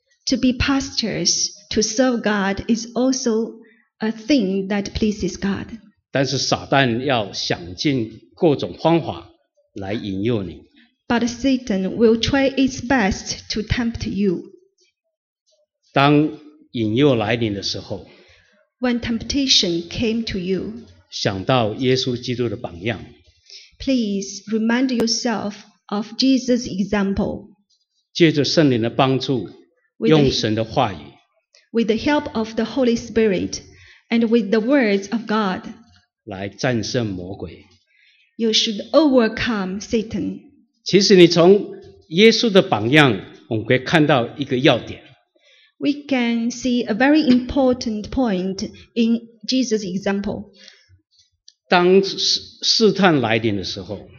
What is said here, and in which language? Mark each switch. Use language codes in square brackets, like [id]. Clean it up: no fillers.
[en] To be pastors to serve God is also a thing that pleases God. [zh] 但是撒旦要想尽各种方法来引诱你。 [en] But Satan will try its best to tempt you. [zh] 当引诱来临的时候 [en] ，When temptation came to you， [zh] 想到耶稣基督的榜样。 [en] Please remind yourself of Jesus' example. [zh] 借着圣灵的帮助，用神的话语。 [en] With the help of the Holy Spirit and with the words of God. [zh] 来战胜魔鬼。 [en] You should overcome Satan. [zh] 其实你从耶稣的榜样，我们可以看到一个要点。 [en] We can see a very important point in Jesus' example. [zh] 当试探来临的时候